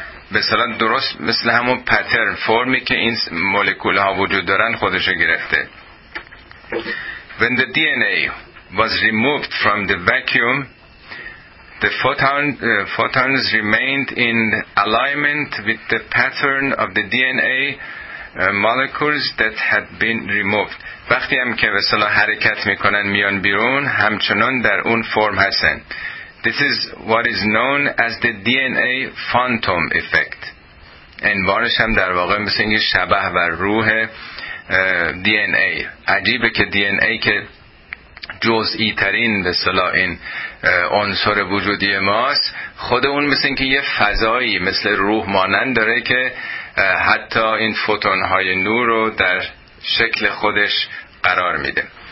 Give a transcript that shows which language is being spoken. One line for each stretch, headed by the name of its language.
Persian: مثلا درست مثل همون پترن فرمی که این مولکول ها وجود دارن خودشو گرفته.
English: When the DNA was removed from the vacuum the photons remained in alignment with the pattern of the DNA molecules that had been removed.
Persian: وقتی هم که مثلا حرکت میکنن میان بیرون همچنان در اون فرم هستن.
English: This is what is known as the DNA phantom effect.
Persian: عنوانش هم در واقع مثل این شبح و روح DNA. عجیبه که DNA که جزئی ترین به اصطلاح این عنصر وجودی ماست، خود اون مثل این که یه فضایی مثل روح مانند داره که حتی این فوتون های نور رو در شکل خودش قرار میده.